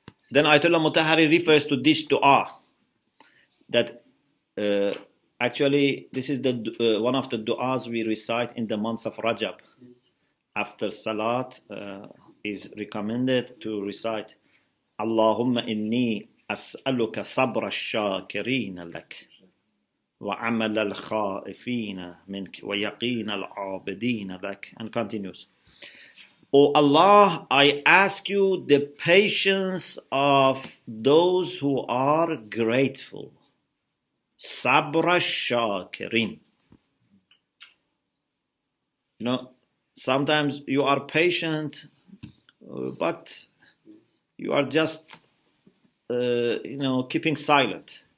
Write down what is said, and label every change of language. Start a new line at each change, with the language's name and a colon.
English: Then Ayatollah Mutahhari refers to this dua. That actually this is the one of the duas we recite in the months of Rajab. After Salat is recommended to recite.
Arabic: اللهم إني أسألك صبر الشاكرين لك وعمل الخائفين منك ويقين العابدين لك.
English: And continues. O Allah, I ask you the patience of those who are grateful.
Arabic: صبر الشاكرين.
English: You know, sometimes you are patient, but you are just, you know, keeping silent.